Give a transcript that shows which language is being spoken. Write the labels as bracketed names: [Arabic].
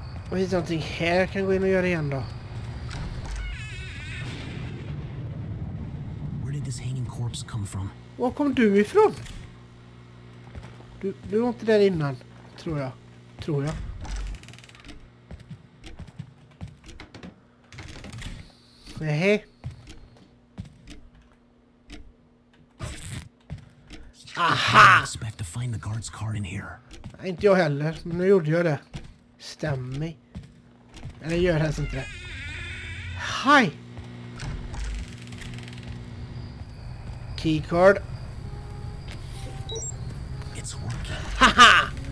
[Swedish] Och finns det någonting här jag kan gå in och göra igen då? [English] Where did this hanging corpse come from? [Swedish] Var kom du ifrån? Du var inte där innan. Tror jag. Nähe. Aha! [English] Expect to find the guard's card in here. [Swedish] Nej, inte jag heller, men nu gjorde jag det. Stämmer. Eller gör helst inte det. [English] Hi! Keycard. It's working. Haha!